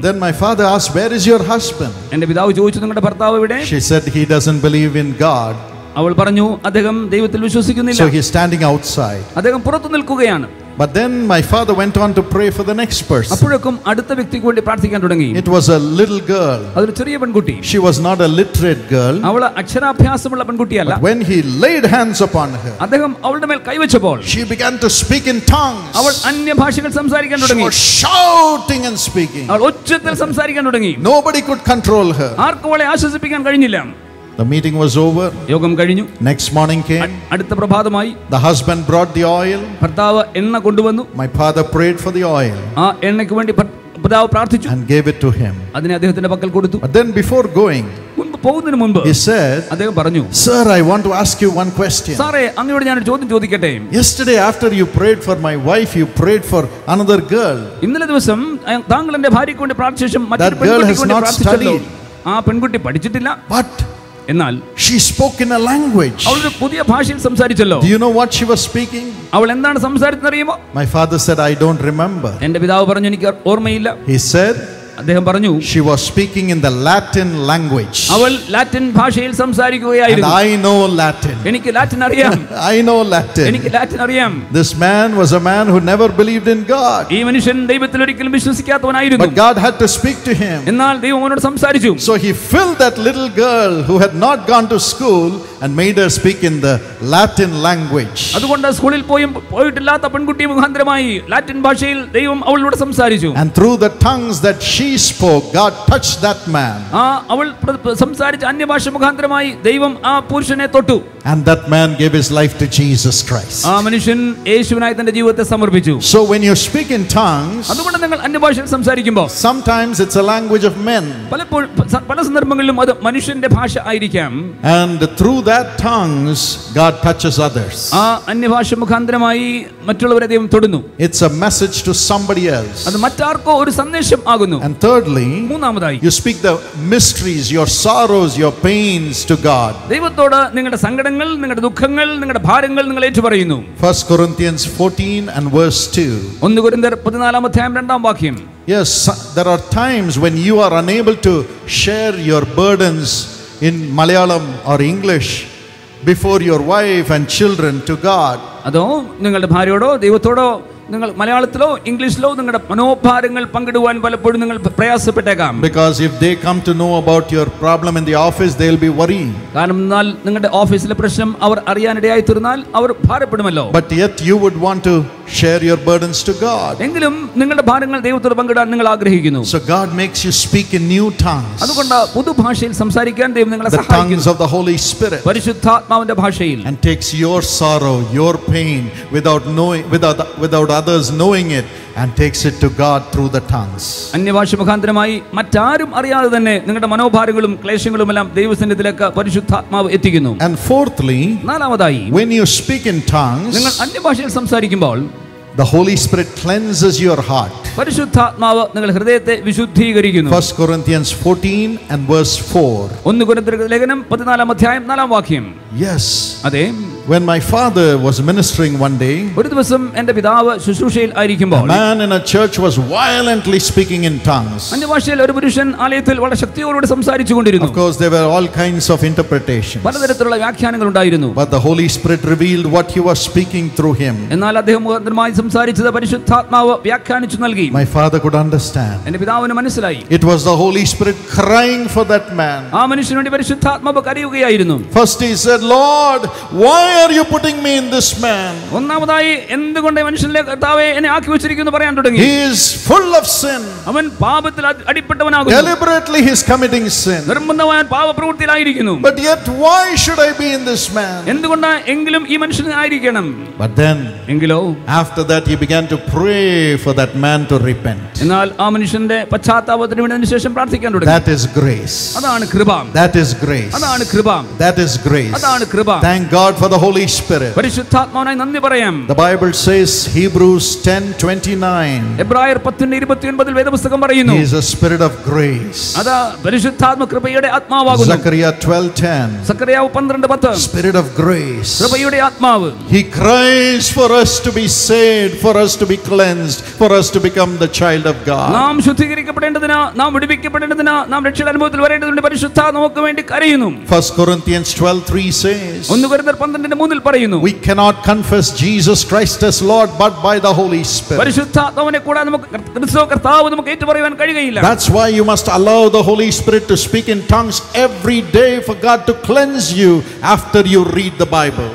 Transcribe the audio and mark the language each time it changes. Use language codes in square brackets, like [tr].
[en] Then my father asked, where is your husband? [ml] എന്റെ പിതാവ് ചോദിച്ചു, നിങ്ങളുടെ ഭർത്താവ് എവിടെ? [en] She said, he doesn't believe in God. [ml] അവൾ പറഞ്ഞു, അദ്ദേഹം ദൈവത്തിൽ വിശ്വസിക്കുന്നില്ല. [en] So he is standing outside. [ml] അദ്ദേഹം പുറത്തു നിൽക്കുകയാണ്. [en] But then my father went on to pray for the next person. [ml] അപ്പോഴേക്കും അടുത്ത വ്യക്തിക്ക് വേണ്ടി പ്രാർത്ഥിക്കാൻ തുടങ്ങി. [en] It was a little girl. [ml] അതൊരു ചെറിയ പെൺകുട്ടി. [en] She was not a literate girl. [ml] അവൾ അക്ഷരാഭ്യാസമുള്ള പെൺകുട്ടിയല്ല. [en] But when he laid hands upon her. [ml] അദ്ദേഹം അവളുടെ മേൽ കൈവച്ചപ്പോൾ. [en] She began to speak in tongues. [ml] അവൾ അന്യഭാഷകൾ സംസാരിക്കാൻ തുടങ്ങി. [en] She was shouting and speaking. [ml] അവൾ ഉച്ചത്തിൽ സംസാരിക്കാൻ തുടങ്ങി. [en] Nobody could control her. [ml] ആർക്കും അവളെ ആശ്വസിപ്പിക്കാൻ കഴിഞ്ഞില്ല. [en] The meeting was over. [ml] യോഗം കഴിഞ്ഞു. [en] Next morning came. [ml] അടുത്ത പ്രഭാതമായി. [en] The husband brought the oil. [ml] ഭർത്താവ് എണ്ണ കൊണ്ടുവന്നു. [en] My father prayed for the oil. [ml] ആ എണ്ണയ്ക്ക് വേണ്ടി പിതാവ് പ്രാർത്ഥിച്ചു. [en] And gave it to him. [ml] അതിനെ അദ്ദേഹത്തിന്റെ പക്കൽ കൊടുത്തു. [en] But then before going, He said, [ml] അദ്ദേഹം പറഞ്ഞു, [en] Sir, I want to ask you one question. [ml] സാറേ, അങ്ങോട് ഞാൻ ഒരു ചോദ്യം ചോദിക്കട്ടെ. [en] Yesterday after you prayed for my wife, you prayed for another girl. [ml] ഇന്നലെ ദിവസം താങ്കളുടെ ഭാര്യയ്ക്ക് വേണ്ടി പ്രാർത്ഥിച്ച ശേഷം മറ്റൊരു പെൺകുട്ടിക്ക് വേണ്ടി പ്രാർത്ഥിച്ചല്ലോ. ആ പെൺകുട്ടി പഠിച്ചിട്ടില്ല. [en] But [ml] എന്നാൽ [en] she spoke in a language. [ml] അവൾ പുതിയ ഭാഷയിൽ സംസാരിച്ചല്ലോ. [en] Do you know what she was speaking? [ml] അവൾ എന്താണ് സംസാരിച്ചതെന്ന് അറിയുമോ? [en] My father said, I don't remember. [ml] എന്റെ പിതാവ് പറഞ്ഞു, എനിക്ക് ഓർമ്മയില്ല. [en] He said, [ml] അദ്ദേഹം പറഞ്ഞു, [en] she was speaking in the Latin language. [ml] അവൾ ലാറ്റിൻ ഭാഷയിൽ സംസാരിക്കുകയായിരുന്നു. [en] And I know Latin. [ml] എനിക്ക് ലാറ്റിൻ അറിയാം. [en] I know Latin. [ml] എനിക്ക് ലാറ്റിൻ അറിയാം. [en] This man was a man who never believed in God. [ml] ഈ മനുഷ്യൻ ദൈവത്തിൽ ഒരിക്കലും വിശ്വസിക്കാത്തവനായിരുന്നു. [en] But God had to speak to him. [ml] എന്നാൽ ദൈവം അവനോട് സംസാരിച്ചു. [en] So he filled that little girl who had not gone to school and made her speak in the Latin language. [ml] അതുകൊണ്ട് സ്കൂളിൽ പോയിട്ടില്ലാത്ത പെൺകുട്ടിയെ മുഖാന്തരമായി ലാറ്റിൻ ഭാഷയിൽ ദൈവം അവളോട് സംസാരിച്ചു. [en] And through the tongues that she spoke, God touched that man. [ml] അവൾ സംസാരിച്ച അന്യ ഭാഷ മുഖാന്തരമായി ദൈവം ആ പുരുഷനെ തൊട്ടു. [en] And that man gave his life to Jesus Christ. [ml] ആ മനുഷ്യൻ യേശുവിനായി തന്റെ ജീവിതത്തെ സമർപ്പിച്ചു. [en] So when you speak in tongues, [ml] അതുകൊണ്ട് നിങ്ങൾ അന്യ ഭാഷയിൽ സംസാരിക്കുമ്പോൾ, [en] sometimes it's a language of men. [ml] പലപ്പോഴും പല സന്ദർഭങ്ങളിലും അത് മനുഷ്യന്റെ ഭാഷ ആയിരിക്കാം. [en] And through that tongues, God touches others. [ml] ആ അന്യ ഭാഷ മുഖാന്തരമായി മറ്റുള്ളവരെ ദൈവം തൊടുന്നു. [en] It's a message to somebody else. [ml] അത് മറ്റാർക്കോ ഒരു സന്ദേശം ആകുന്നു. [en] And thirdly, [ml] മൂന്നാമതായി, [en] you speak the mysteries, your sorrows, your pains to God. [ml] ദൈവത്തോട് നിങ്ങളുടെ സങ്കടങ്ങൾ, നിങ്ങളുടെ ദുഃഖങ്ങൾ, നിങ്ങളുടെ ഭാരങ്ങൾ നിങ്ങൾ ഏറ്റുപറയുന്നു. [en] 1 Corinthians 14 and verse 2. [ml] 1 കൊരിന്ത്യർ 14 അധ്യായം 2 വാക്യം. [en] Yes, there are times when you are unable to share your burdens in Malayalam or English before your wife and children to God. [ml] അതോ നിങ്ങളുടെ ഭാര്യയോടോ ദൈവത്തോടോ നിങ്ങൾ മലയാളത്തിലോ ഇംഗ്ലീഷിലോ നിങ്ങളുടെ മനോഭാരങ്ങൾ പങ്കിടുവാൻ പലപ്പോഴും നിങ്ങൾ പ്രയാസപ്പെട്ടേക്കാം. [en] Because if they come to know about your problem in the office, they'll be worrying. [ml] കാരണം നിങ്ങളുടെ ഓഫീസിലെ പ്രശ്നം അവർ അറിയാനിടയായി തീർന്നാൽ അവർ ഭാരപ്പെടുമല്ലോ. [en] But yet you would want to share your burdens to God. [ml] എങ്കിലും നിങ്ങളുടെ ഭാരങ്ങൾ ദൈവത്തോട് പങ്കിടാൻ നിങ്ങൾ ആഗ്രഹിക്കുന്നു. [en] So God makes you speak in new tongues. [ml] അതുകൊണ്ട് പുതുഭാഷയിൽ സംസാരിക്കാൻ ദൈവം നിങ്ങളെ സഹായിക്കുന്നു. [en] The tongues of the Holy Spirit. [ml] പരിശുദ്ധാത്മാവിന്റെ ഭാഷയിൽ. [en] And takes your sorrow, your pain without others knowing it and takes it to God through the tongues. [ml] അന്യ ഭാഷ മുഖാന്തരമായി മറ്റാരും അറിയാതെ തന്നെ നിങ്ങളുടെ മനോഭാരങ്ങളും ക്ലേശങ്ങളും എല്ലാം ദൈവസന്നിധിയിലേക്ക് പരിശുദ്ധാത്മാവ് എത്തിക്കുന്നു. [en] And fourthly, [ml] നാലാമതായി, [en] when you speak in tongues, [ml] നിങ്ങൾ അന്യ ഭാഷയിൽ സംസാരിക്കുമ്പോൾ, [en] the Holy Spirit cleanses your heart. [ml] പരിശുദ്ധാത്മാവ് നിങ്ങളുടെ ഹൃദയത്തെ വിശുദ്ധീകരിക്കുന്നു. [en] 1 Corinthians 14 and verse 4. [ml] 1 കൊരിന്ത്യർ ലേഖനം 14 അധ്യായം 4 വാക്യം. [en] Yes. [ml] അതെ. [en] When my father was ministering one day, [ml] ഒരു ദിവസം എൻ്റെ പിതാവ് ശുശ്രൂഷയിൽ ആയിരിക്കുമ്പോൾ, [en] a man in a church was violently speaking in tongues. [ml] അന്യ ഭാഷയിൽ ഒരു പുരുഷൻ ആലയത്തിൽ വളരെ ശക്തിയോടെ സംസാരിച്ചുകൊണ്ടിരുന്നു. [en] Of course there were all kinds of interpretations. [ml] പലതരത്തിലുള്ള വ്യാഖ്യാനങ്ങൾ ഉണ്ടായിരുന്നു. [en] But the Holy Spirit revealed what he was speaking through him. [ml] എന്നാൽ അദ്ദേഹം മുഖാന്തരമായി സംസാരിച്ചത് പരിശുദ്ധാത്മാവ് വ്യാഖ്യാനിച്ചു നൽകി. [en] My father could understand. [ml] എൻ്റെ പിതാവിന് മനസ്സിലായി. [en] It was the Holy Spirit crying for that man. [ml] ആ മനുഷ്യന് വേണ്ടി പരിശുദ്ധാത്മാവ് കരയുകയായിരുന്നു. [en] First he said, Lord, why are you putting me in this man? [ml] ഒന്നാമതായി എന്തുകൊണ്ട് മനുഷ്യനെ കർത്താവേ എന്നെ ആക്കി വെച്ചിരിക്കുന്നു പറയാൻ തുടങ്ങി. [en] He is full of sin. [ml] അവൻ പാപത്തിൽ അടിപ്പെട്ടവനാകുന്നു. [en] Deliberately he is committing sin. [ml] നിർബന്ധമായ പാപപ്രവൃത്തിയിലായിരിക്കുന്നു. [en] But yet why should I be in this man? [ml] എന്തുകൊണ്ട് എങ്കിലും ഈ മനുഷ്യനെ ആയിരിക്കണം. [en] But then [ml] എങ്കിലോ, [en] after that he began to pray for that man to repent. [ml] എന്നാൽ ആ മനുഷ്യന്റെ പശ്ചാത്താപത്തിന് വേണ്ടി ശേഷം പ്രാർത്ഥിക്കാൻ തുടങ്ങി. [en] That is grace. [ml] അതാണ് കൃപ. [en] That is grace. [ml] അതാണ് കൃപ. [en] That is grace. [ml] അതാണ് കൃപ. [en] Thank God for the Holy Spirit. [ml] പരിശുദ്ധാത്മാവിനായി നന്ദി പറയാം. [en] The Bible says Hebrews 10:29. [ml] എബ്രായർ 10:29 വേദപുസ്തകം പറയുന്നു. [en] He is a spirit of grace. [ml] അതാ പരിശുദ്ധാത്മ കൃപയുടെ ആത്മാവാകുന്നു. സക്കറിയാ 12:10. സക്കറിയാ 12:10. [en] Spirit of grace. [ml] കൃപയുടെ ആത്മാവ്. [en] He cries for us to be saved, for us to be cleansed, for us to become the child of God. [ml] നാം ശുദ്ധീകരിക്കപ്പെടേണ്ടതിനാ, നാം വിടുവിക്കപ്പെടേണ്ടതിനാ, നാം രക്ഷയുടെ അനുഭവത്തിൽ വരേണ്ടതിനാ പരിശുദ്ധാത്മാവ് നമുക്ക് വേണ്ടി കരയുന്നു. [en] 1 Corinthians 12:3 says, We cannot confess Jesus Christ as Lord but by the Holy Spirit. That's why you must allow the Holy Spirit to speak in tongues every day for God to cleanse you after you read the Bible.